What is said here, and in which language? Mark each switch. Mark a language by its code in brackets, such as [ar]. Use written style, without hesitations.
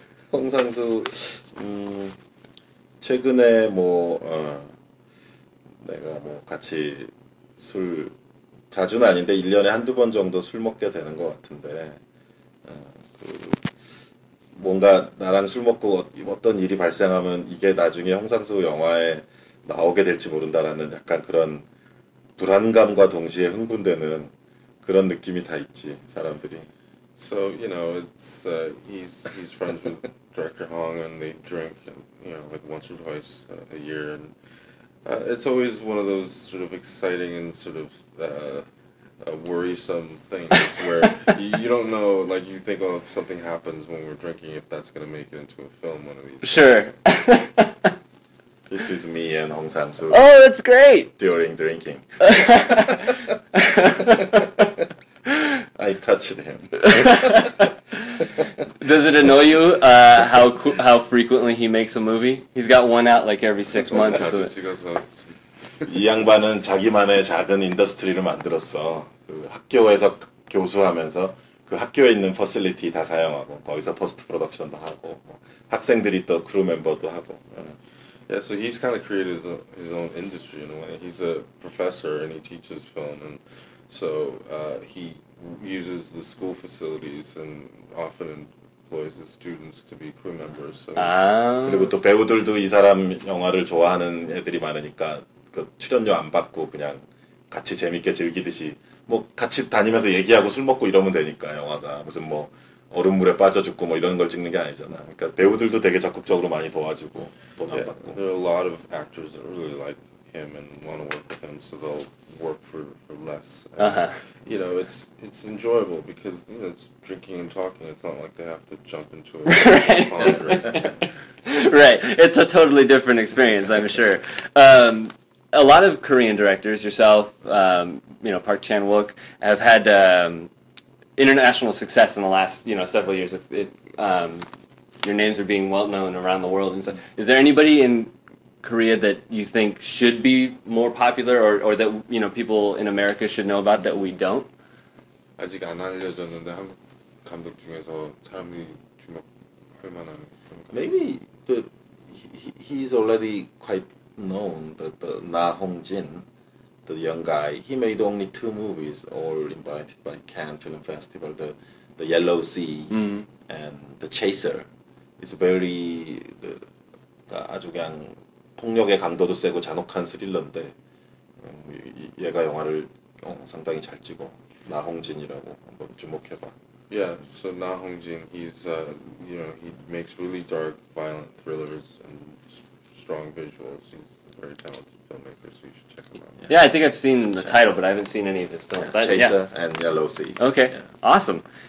[ko] Hong Sangsoo, 최근에 뭐 내가 뭐 같이 술 자주는 아닌데 1년에 한두 번 정도 술 먹게 되는 것 같은데 그 뭔가 나랑 술 먹고 어떤 일이 발생하면 이게 나중에 홍상수 영화에 나오게 될지 모른다라는 약간 그런 불안감과 동시에 흥분되는 그런 느낌이 다 있지 사람들이. [en] So you know it's he's friends with director Hong and they drink you know like once or twice a year and it's always one of those sort of exciting and sort of worrisome things where you don't know, like you think, oh, if something happens when we're drinking, if that's going to make it into a film one of these Sure. This is me and Hong Sangsoo. Oh, that's great! During drinking. I touched him. Does it annoy you how frequently he makes a movie? He's got one out like every 6 months or something. [ko] 이 양반은 자기만의 작은 인더스트리를 만들었어. 그 학교에서 교수하면서 그 학교에 있는 퍼실리티 다 사용하고 거기서 포스트 프로덕션도 하고 학생들이 또 크루 멤버도 하고. [en] Yeah, so he's kind of created his own industry in a way. He's a professor and he teaches film and so he uses the school facilities and often employs his students to be crew members. So 아. [ko] 그리고 또 배우들도 이 사람 영화를 좋아하는 애들이 많으니까 그 출연료 안 받고 그냥 같이 재밌게 즐기듯이 뭐 같이 다니면서 얘기하고 술 먹고 이러면 되니까 영화가 무슨 뭐 얼음물에 빠져 죽고 뭐 이런 걸 찍는 게 아니잖아. 그러니까 배우들도 되게 적극적으로 많이 도와주고 돈 안 받고. [en] There are a lot of actors that really like him and want to work with him, so they'll work for less. Uh-huh. You know, it's enjoyable because you know it's drinking and talking. It's not like they have to jump into a Right. It's a totally different experience, I'm sure. A lot of Korean directors, yourself, you know, Park Chan-wook, have had international success in the last, you know, several years. Your names are being well-known around the world. And so, is there anybody in Korea that you think should be more popular or that, you know, people in America should know about that we don't? [ko] 아직 안 알려졌는데 한국 감독 중에서 사람이 주목할 만한 [en] Maybe he's already quite known, the Na Hong Jin, the young guy. He made only two movies, all invited by Cannes Film Festival, the Yellow Sea and The Chaser. It's very, [ko] 아주 그냥 폭력의 강도도 세고 잔혹한 스릴러인데 얘가 영화를 상당히 잘 찍어. 나 홍진이라고 한번 주목해봐. [en] Yeah, so Na Hong Jin, he's, you know, he makes really dark, violent thrillers and strong visuals. He's a very talented filmmaker, so you should check him out. Yeah, I think I've seen the title, but I haven't seen any of his films. Chaser and Yellow Sea. Okay, awesome.